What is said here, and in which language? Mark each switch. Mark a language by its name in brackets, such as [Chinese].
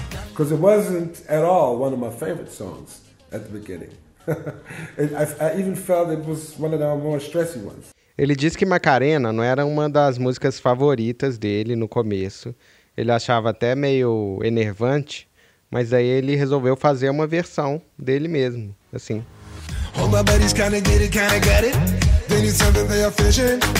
[English] Because it wasn't at all one of my favorite songs at the beginning. I even felt it was one of the more stressy ones. [Portuguese] Ele disse que Macarena não era uma das músicas favoritas dele no começo. Ele achava até meio enervante, mas aí ele resolveu fazer uma versão dele mesmo, assim. [English] All my buddies kinda get it, kinda get it. They need something they are fishing.